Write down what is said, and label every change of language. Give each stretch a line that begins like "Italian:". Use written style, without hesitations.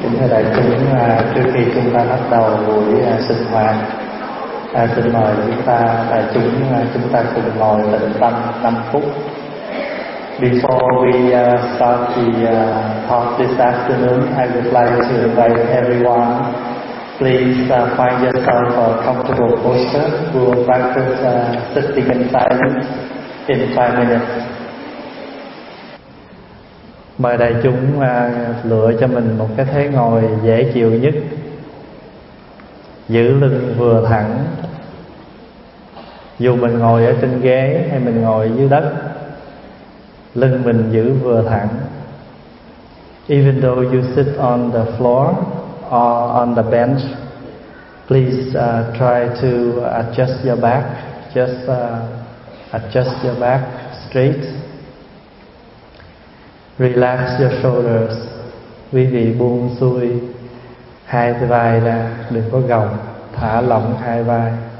Vietnamese: Đại chúng, trước khi chúng ta bắt đầu buổi sinh hoạt, xin mời chúng ta đại chúng chúng ta cùng ngồi tĩnh tâm 5 phút.
English: Before we start the talk this afternoon, I would like to invite everyone, please find yourself a comfortable posture. We will practice sitting in silence in 5 minutes.
Vietnamese: Mời đại chúng lựa cho mình một cái thế ngồi dễ chịu nhất, giữ lưng vừa thẳng. Dù mình ngồi ở trên ghế hay mình ngồi dưới đất, lưng mình giữ vừa thẳng.
English: Even though you sit on the floor or on the bench, please try to adjust your back. Just adjust your back straight. Relax your shoulders.
Vietnamese: Quý vị buông xuôi hai vai ra, đừng có gồng, thả lỏng hai vai.